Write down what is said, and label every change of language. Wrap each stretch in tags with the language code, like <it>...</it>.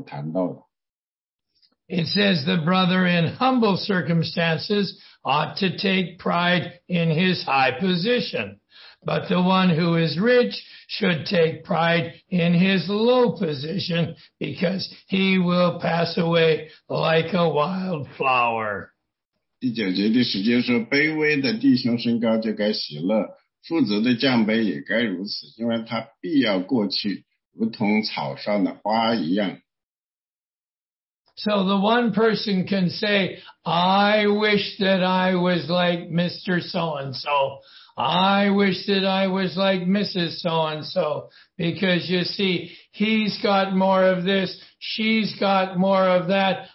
<zh>让我们来读那个第九节，我们从第九节看到，来学习那些试验和试探，从第九节到第十一节所谈到的。</zh> <en>It says the brother in humble circumstances ought to take pride in his high position, but the one who is rich should take pride in his low position, because he will pass away like a wild flower.</en> <zh>第九节第十节说，卑微的弟兄身高就该喜乐，富足的降卑也该如此，因为他必要过去，如同草上的花一样。</zh> <en>So the one person can say, I wish that I was like Mr. So-and-so. I wish that I was like Mrs. So-and-so. Because you see, he's got more of this, she's got more of that.</en>